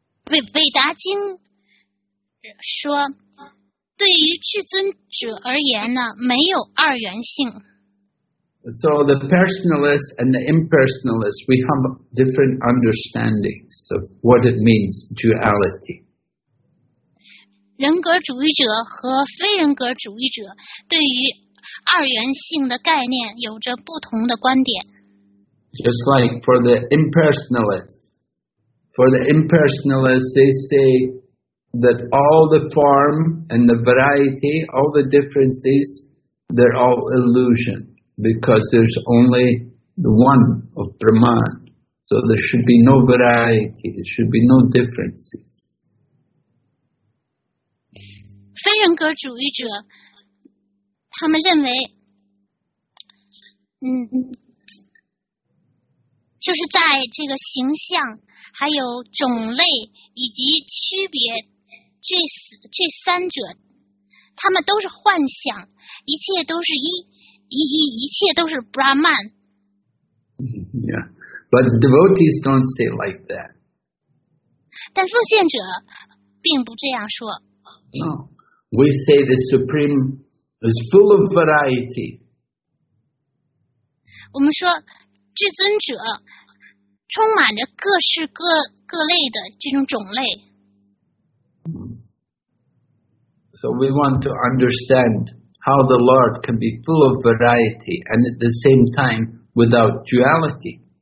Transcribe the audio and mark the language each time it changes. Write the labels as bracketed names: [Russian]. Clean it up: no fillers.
[Chinese] Veda 经说，对于至尊者而言呢，没有二元性。 [English] So the personalists and the impersonalists, we have different understandings of what it means, duality. [Chinese] 人格主义者和非人格主义者对于二元性的概念有着不同的观点。 [English] Just like for the impersonalists, they say that all the form and the variety, all the differences, they're all illusion. Because there's only the one of Brahman. So there should be no variety, there should be no differences. [Chinese] 非人格主义者他们认为就是在这个形象还有种类以及区别这三者他们都是幻想，一切都是一切都是 Brahman. [English] Yeah, but devotees don't say like that. [Chinese] 但奉献者并不这样说。 [English] No, we say the Supreme is full of variety. [Chinese] 我们说至尊者充满着各式各类的这种种类。 [English] So we want to understand. How the Lord can be full of variety and at the same time without duality.